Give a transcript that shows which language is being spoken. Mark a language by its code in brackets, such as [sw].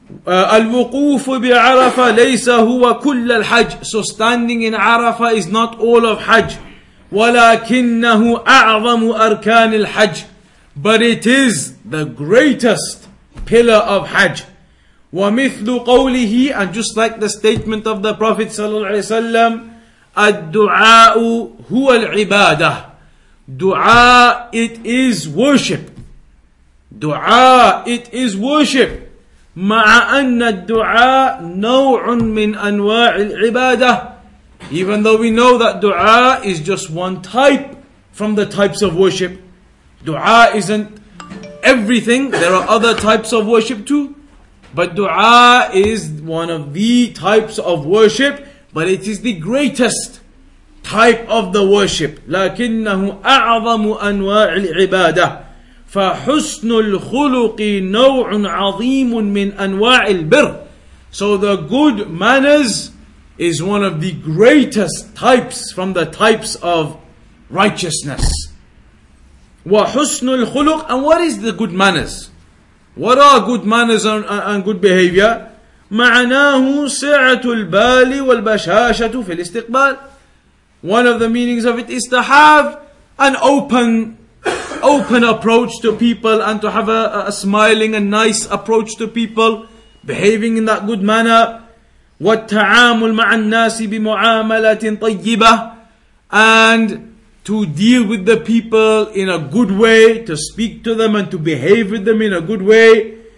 [ar] الوقوف بعرفة ليس هو كل الحج. [en] So standing in Arafah is not all of Hajj. [ar] ولكنه أعظم أركان الحج. [en] But it is the greatest pillar of Hajj. [ar] ومثل قوله, [en] and just like the statement of the Prophet صلى الله عليه وسلم, [ar] الدعاء هو العبادة. [en] Dua, it is worship. Dua, it is worship. [ar] مع أن الدعاء نوع من أنواع العبادة. [en] Even though we know that dua is just one type from the types of worship. Dua isn't everything. There are other types of worship too. But dua is one of the types of worship. But it is the greatest type of the worship. [ar] لكنه أعظم أنواع العبادة. فحسن الخلق نوع عظيم من أنواع البر. [en] So the good manners is one of the greatest types from the types of righteousness. [ar] وحسن الخلق. [en] And what is the good manners? What are good manners and good behavior? [ar] معناه سعة البال والبشاشة في الاستقبال. [en] One of the meanings of it is to have an open approach to people and to have a smiling and nice approach to people, behaving in that good manner. [ar] وَالتَّعَامُلْ مَعَ النَّاسِ بِمُعَامَلَةٍ طَيِّبَةٍ, [en] and to deal with the people in a good way, to speak to them and to behave with them in a good way.